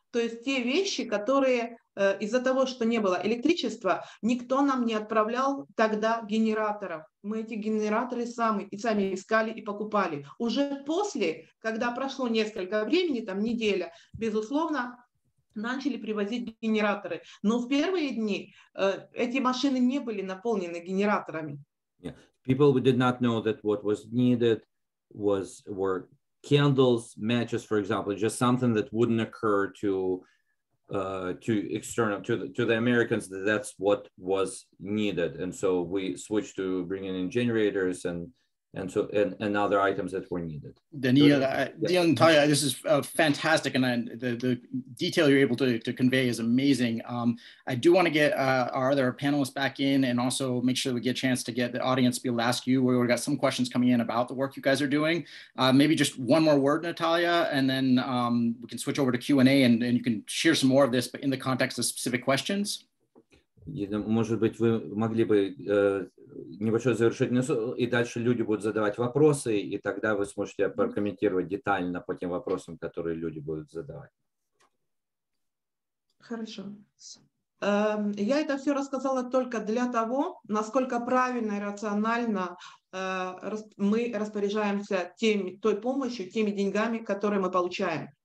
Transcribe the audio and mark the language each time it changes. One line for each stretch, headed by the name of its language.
Russian: То есть те вещи, которые из-за того, что не было электричества, никто нам не отправлял тогда генераторов. Мы эти генераторы сами искали и покупали. Уже после, когда прошло несколько времени, там неделя, безусловно, начали привозить генераторы. Но в первые дни эти машины не были наполнены генераторами.
English: Yeah. People who did not know that what was needed were candles, matches, for example, just something that wouldn't occur to the Americans, that's what was needed, and so we switched to bringing in generators and other items that were needed. Daniil, Natalia, this is fantastic, and the detail you're able to convey is amazing. I do want to get our other panelists back in and also make sure that we get a chance to get the audience to be able to ask you. We've got some questions coming in about the work you guys are doing. Maybe just one more word, Natalia, and then we can switch over to Q&A and you can share some more of this, but in the context of specific questions.
Russian: Может быть, вы могли бы небольшое завершение, и дальше люди будут задавать вопросы, и тогда вы сможете прокомментировать детально по тем вопросам, которые люди будут задавать. Хорошо. Я это все рассказала только для того, насколько правильно и рационально мы распоряжаемся той помощью, теми деньгами, которые мы получаем.